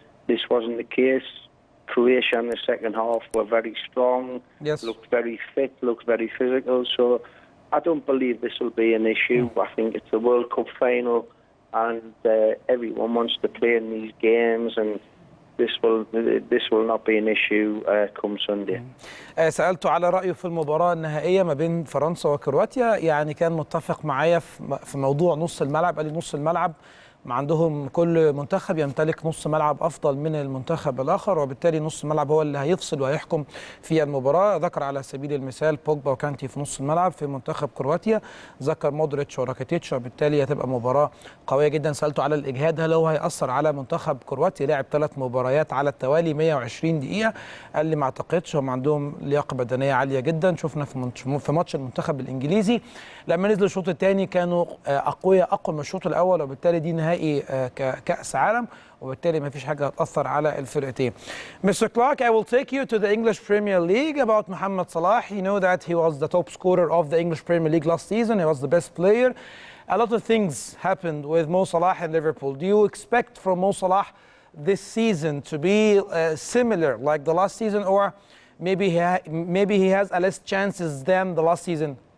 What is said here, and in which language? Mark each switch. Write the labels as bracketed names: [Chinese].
[English] This wasn't the case. Croatia in the second half were very strong, yes. Looked very fit, looked very physical. So I don't believe this will be an issue. Mm. I think it's the World Cup final, and everyone wants to play in these games, and this will not be an issue come Sunday. [Arabic] سألت على رأيه في المباراة النهائية ما بين فرنسا وكرواتيا، يعني كان متفق معايا في موضوع نص الملعب، قال لي نص الملعب ما عندهم، كل منتخب يمتلك نص ملعب أفضل من المنتخب الآخر، وبالتالي نص الملعب هو اللي هيفصل ويحكم في المباراة. ذكر على سبيل المثال بوجبا وكانتي في نص الملعب في منتخب كرواتيا، ذكر مودريتش وراكيتيتش، وبالتالي هتبقى مباراة قوية جدا. سألته على الإجهاد، هل هو هيأثر على منتخب كرواتيا؟ لعب ثلاث مباريات على التوالي 120 دقيقة، قال لي ما أعتقدش، هم عندهم لياقة بدنية عالية جدا، شفنا في ماتش المنتخب الإنجليزي لما نزلوا الشوط الثاني كانوا أقوياء أقوى من الشوط الأول، وبالتالي دي نهائي كأس عالم، وبالتالي ما فيش حاجة هتأثر على الفرقتين. [English] Mr. Clark, I will take you to the English Premier League about Mohamed Salah. You know that he was the top scorer of the English Premier League last season. He was the best player. A lot of things happened with Mo Salah and Liverpool. Do you expect from Mo Salah this season to be similar like the last season, or maybe he has a less chances than the last season?